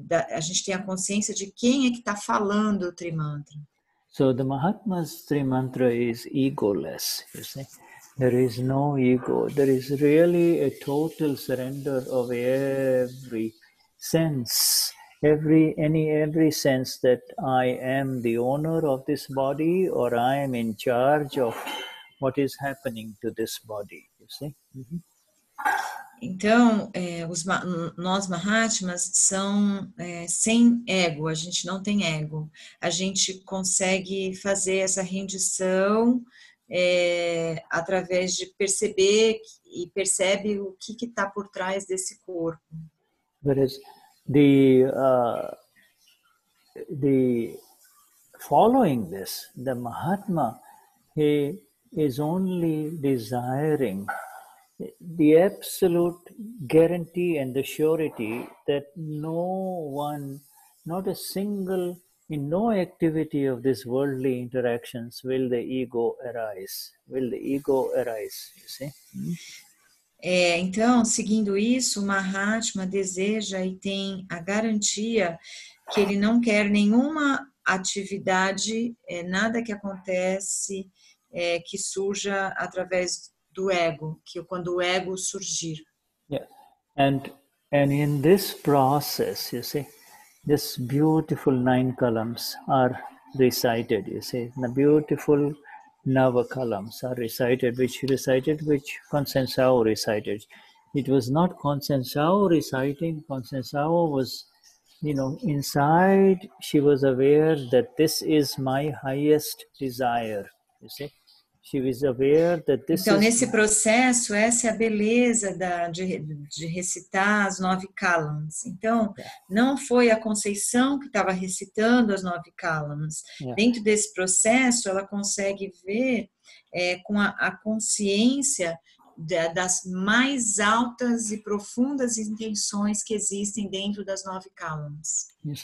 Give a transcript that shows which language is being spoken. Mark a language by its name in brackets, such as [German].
[Portuguese] A gente tem a consciência de quem é que está falando o Trimantra. [English] So the Mahatma's Trimantra is egoless, you see. There is no ego. There is really a total surrender of every sense. Every sense that I am the owner of this body or I am in charge of what is happening to this body, you see? Mm-hmm. [Portuguese] Então, nós Mahatmas são sem ego, a gente não tem ego. A gente consegue fazer essa rendição através de perceber e percebe o que está por trás desse corpo. [English] Whereas the following this, the Mahatma, he is only desiring the absolute guarantee and the surety that no one, not a single, in no activity of this worldly interactions will the ego arise. Will the ego arise, you see? Mm-hmm. [Portuguese] Então, seguindo isso, o Mahatma deseja e tem a garantia que ele não quer nenhuma atividade, nada que acontece, que surja através do ego, que quando o ego surgir. Yeah. [English] And in this process, you see, this beautiful nine columns are recited, you see, the beautiful Nava columns are recited, which Consensao recited. It was not Consensao reciting. Consensao was, you know, inside she was aware that this is my highest desire. You see, she was aware that this. [Portuguese] Então, nesse processo, essa é a beleza de recitar as nove columns. Então, não foi a Conceição que estava recitando as nove columns. Yeah. Dentro desse processo, ela consegue ver com a consciência das mais altas e profundas intenções que existem dentro das nove columns.